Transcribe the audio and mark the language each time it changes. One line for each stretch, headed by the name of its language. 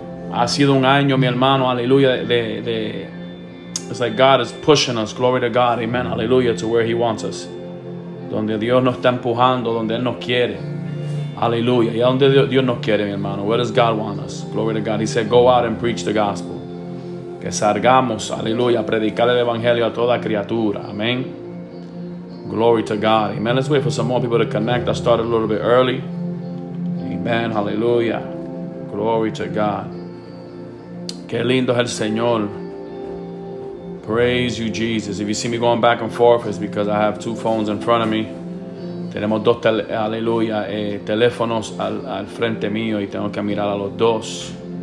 Spanish: Ha sido un año, mi hermano, aleluya, de
English: it's like God is pushing us. Glory to God. Amen. Aleluya, to where He wants us.
Spanish: Donde Dios nos está empujando, donde Él nos quiere. Aleluya. Y a donde Dios nos quiere, mi hermano.
English: Where does God want us? Glory to God. He said, go out and preach the gospel.
Spanish: Que salgamos, aleluya, a predicar el evangelio a toda criatura.
English: Amen. Glory to God. Amen. Let's wait for some more people to connect. I started a little bit early. Amen. Aleluya. Glory to God.
Spanish: Qué lindo es el Señor.
English: Praise you, Jesus. If you see me going back and forth, it's because I have two phones in front of me.
Spanish: Tenemos dos, aleluya, teléfonos al frente mío y tengo que mirar a los dos.